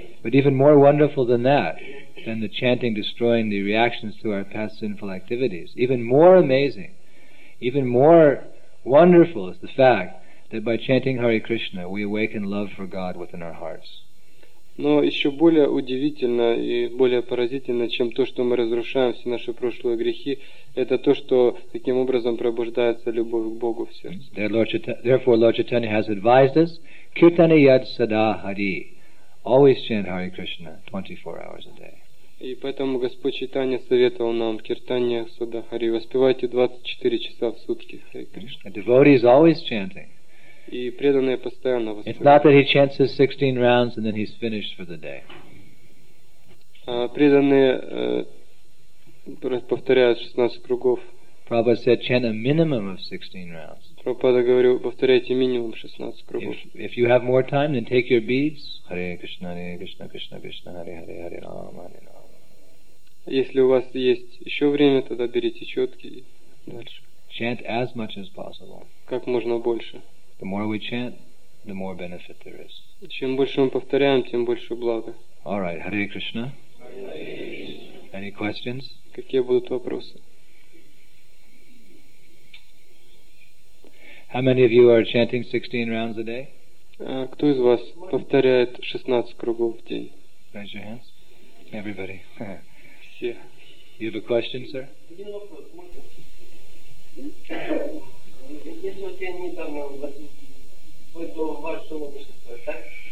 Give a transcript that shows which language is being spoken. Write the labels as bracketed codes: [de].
[en] But even more wonderful than that, than the chanting destroying the reactions to our past sinful activities, even more amazing, even more wonderful is the fact that by chanting Hare Krishna, we awaken love for God within our hearts. [ru] Но еще более удивительно и более поразительно, чем то, что мы разрушаем все наши прошлые грехи, это то, что таким образом пробуждается любовь к Богу в сердце. [en] Therefore, Lord Chaitanya has advised us, [sa] Kirtani Yad Sada Hari. [en] Always chant Hare Krishna 24 hours a day. [ru] И поэтому Господь Чайтанья советовал нам [sa] киртанья сада хари, [ru] воспевайте 24 часа в сутки Hare Krishna. [en] A devotee is always chanting. [ru] И преданные постоянно воспевают. [en] It's not that he chants his 16 rounds and then he's finished for the day. [ru] Преданные повторяют 16 кругов. [en] Prabhupada said chant a minimum of 16 rounds. [ru] Прабхупада говорил, повторяйте минимум 16 кругов. [en] If you have more time, then take your beads. [sa] Hare Krishna, Hare Krishna, Krishna Krishna, Hare Hare, Hare Rama, Hare Rama. [ru] Если у вас есть еще время, тогда берите четки и дальше. [en] Chant as much as possible. [ru] Как можно больше. [en] The more we chant, the more benefit there is. [ru] Чем больше мы повторяем, тем больше блага. [en] All right, Hare Krishna. Any questions? [ru] Какие будут вопросы? [en] How many of you are chanting 16 rounds a day? [ru] Кто из вас повторяет 16 кругов в день? [en] Raise your hands. Everybody. [ru] Все. [en] You have a question, sir? [ru] Один вопрос. Можно? Если у тебя не там, вплоть до вашего общества, так?